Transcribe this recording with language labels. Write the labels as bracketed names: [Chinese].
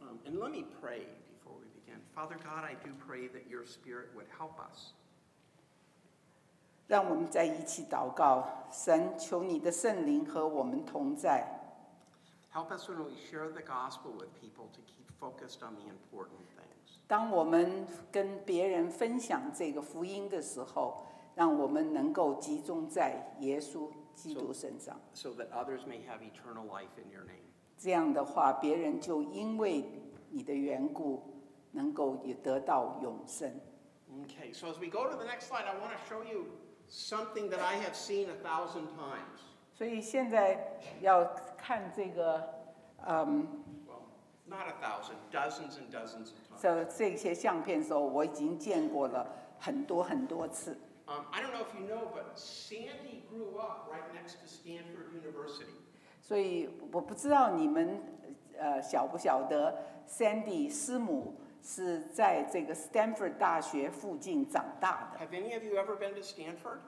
[English] And let me pray before we begin. Father God, I do pray that your spirit would help us. [Chinese] 让我们在一起祷告，神，求你的圣灵和我们同在。 [English] Help us when we share the gospel with people to keep focused on the important things. [Chinese] 当我们跟别人分享这个福音的时候，让我们能够集中在耶稣基督身上。 [English] So that others may have eternal life in your name. [Chinese] 这样的话，别人就因为你的缘故，能够也得到永生。 [English] Okay, so as we go to the next slide, I want to show you something that I have seen 1,000 times. [Chinese] 所以现在要。看这个 [English] well, not a thousand, dozens and dozens of times. [Chinese] So, 这些相片的时候我已经见过了很多很多次。 [English] I don't know if you know, but Sandy grew up right next to Stanford University. [Chinese] 所以我不知道你们晓不晓得 Sandy 师母是在这个 Stanford 大学附近长大的。 [English] Have any of you ever been to Stanford?